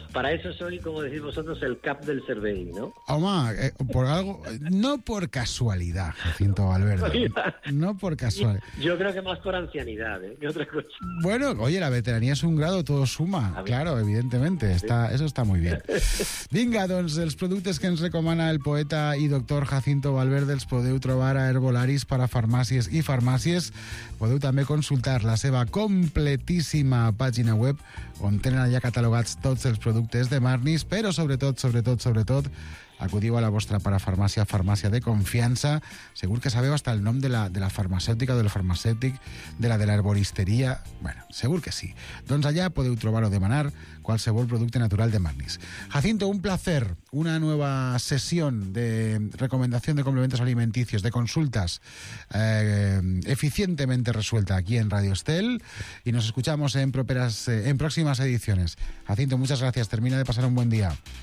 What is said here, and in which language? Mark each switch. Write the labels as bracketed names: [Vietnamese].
[Spanish] Para eso soy, como decís vosotros, [Catalan] el cap del cervell, [Spanish] ¿no? Omar, por algo, no por casualidad, Jacinto Valverde. No por casualidad. Yo creo que más por ancianidad, que otra cosa. Bueno, oye, la veteranía es un grado, todo suma. Claro, evidentemente, eso está muy bien. [Catalan] Vinga, doncs, els productes que ens recomana el poeta i doctor Jacinto Valverde els podeu trobar a Herbolaris para farmàcies i farmàcies. Podeu també consultar la seva completíssima pàgina web, on tenen allà catalogats tots els productes de Marnis, però sobretot, acudiu a la vostra parafarmàcia, farmàcia de confiança. Segur que sabeu hasta el nom de la farmacèutica, del farmacèutic, de la herboristeria. Bueno, segur que sí. Doncs allà podeu trobar o demanar qualsevol producte natural de Marnis. [Spanish] Jacinto, un placer. Una nueva sesión de recomendación de complementos alimenticios, de consultas eficientemente resuelta aquí en Radio Estel. Y nos escuchamos en próximas ediciones. Jacinto, muchas gracias. Termina de pasar un buen día.